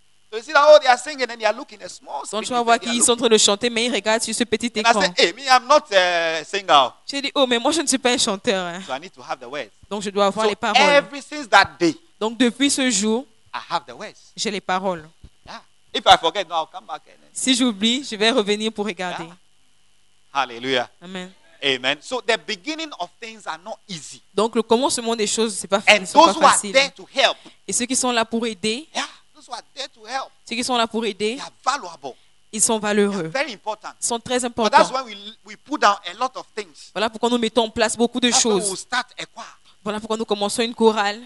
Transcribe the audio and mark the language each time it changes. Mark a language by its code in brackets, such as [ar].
[en] So you see that, oh, they are singing and they are looking at a small screen. [fr] Donc tu vas voir qu'ils sont en train de chanter, mais ils regardent sur ce petit écran. [en] And I say, hey, me, I'm not a singer. [fr] Tu dis, oh, mais moi, je ne suis pas un chanteur. Hein. [en] So I need to have the words. [fr] Donc je dois avoir [en] so [fr] les paroles. [en] Ever since that day, [fr] donc depuis ce jour, [en] I have the words. [fr] J'ai les paroles. [en] Yeah. If I forget, no, I'll come back. [fr] Si j'oublie, je vais revenir pour regarder. [en] Yeah. Hallelujah. Amen. Amen. So the beginning of things are not easy. [fr] Donc le commencement des choses, c'est pas, [en] and those [fr] pas facile. [en] Who are there to help, [fr] et ceux qui sont là pour aider, [en] yeah, those who are there to help, [fr] ceux qui sont là pour aider, [en] they are valuable. [fr] Ils sont valeureux. [en] They are very important. [fr] Ils sont très importants. [en] But that's why we put down a lot of things. [fr] Voilà pourquoi nous mettons en place beaucoup de [en] that's [fr] choses. [en] We start a choir. [fr] Voilà pourquoi nous commençons une chorale.